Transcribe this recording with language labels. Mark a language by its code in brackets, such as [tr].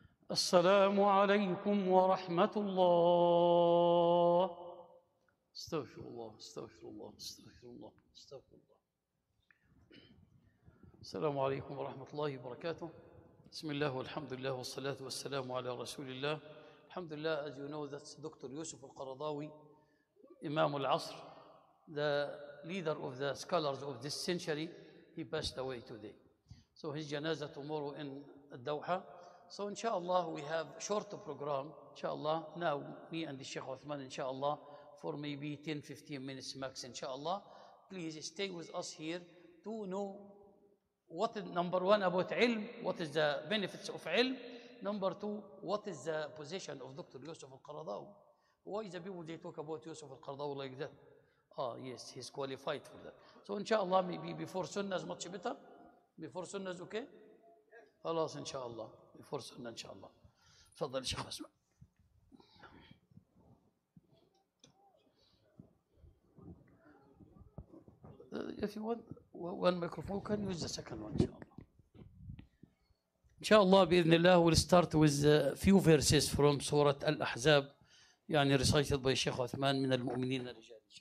[ar] السلام عليكم ورحمة الله. استغفر الله استغفر الله استغفر الله استغفر الله. السلام عليكم ورحمة الله وبركاته. بسم الله والحمد لله والصلاة والسلام على رسول الله. الحمد لله. [en] As you know that's Dr. Yusuf al-Qaradawi, Imam al-Asr, the leader of the scholars of this century, he passed away today. So his janazah tomorrow in Doha. So inshallah we have short program. Inshallah now me and the Sheikh Uthman inshallah for maybe 10-15 minutes max inshallah. Please stay with us here to know what is number one about ilm, what is the benefits of ilm, number two what is the position of Dr. Yusuf al-Qaradawi. Why the people they talk about Yusuf al-Qaradawi like that? Yes, he's qualified for that. So inshallah maybe before sunnah is much better. Before sunnah is okay. [ar] خلاص ان شاء الله فرصه لنا ان شاء الله. تفضل شيخ اسمع. [en] If you want one microphone can use the second one [ar] ان شاء الله. ان شاء الله باذن الله [en] we'll start with a few verses from [ar] سوره الاحزاب يعني recited by شيخ عثمان من المؤمنين الرجال.